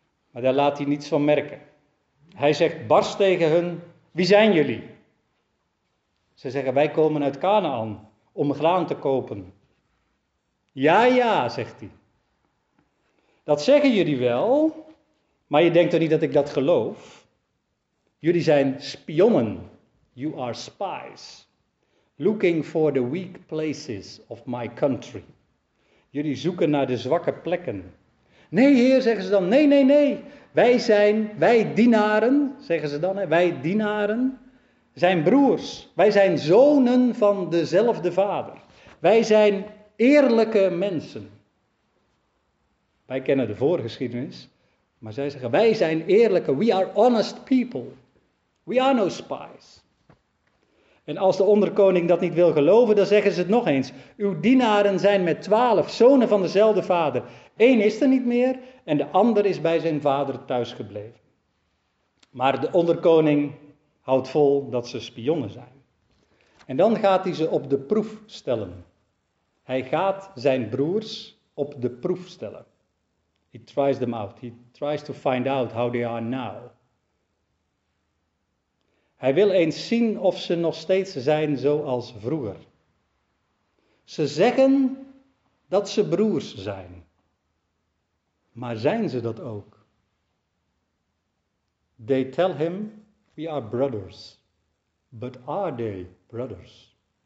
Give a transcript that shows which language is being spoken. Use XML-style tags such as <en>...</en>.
<nl>Maar daar laat hij niets van merken. Hij zegt bars tegen hun, wie zijn jullie? Ze zeggen, wij komen uit Kanaan om graan te kopen. Ja, ja, zegt hij. Dat zeggen jullie wel, maar je denkt toch niet dat ik dat geloof? Jullie zijn spionnen.</nl> <en>You are spies. Looking for the weak places of my country.</en> <nl>Jullie zoeken naar de zwakke plekken. Nee, heer, zeggen ze dan. Nee, nee, nee. Wij dienaren, zeggen ze dan. Hè. Wij dienaren zijn broers. Wij zijn zonen van dezelfde vader. Wij zijn eerlijke mensen. Wij kennen de voorgeschiedenis, maar zij zeggen, wij zijn eerlijke,</nl> <en>we are honest people. We are no spies.</en> <nl>En als de onderkoning dat niet wil geloven, dan zeggen ze het nog eens. Uw dienaren zijn met 12 zonen van dezelfde vader. Eén is er niet meer en de ander is bij zijn vader thuisgebleven. Maar de onderkoning houdt vol dat ze spionnen zijn. En dan gaat hij ze op de proef stellen. Hij gaat zijn broers op de proef stellen.</nl> <en>He tries them out. He tries to find out how they are now.</en> <nl>Hij wil eens zien of ze nog steeds zijn zoals vroeger. Ze zeggen dat ze broers zijn. Maar zijn ze dat ook?</nl> <en>They tell him we are brothers. But are they brothers?</en>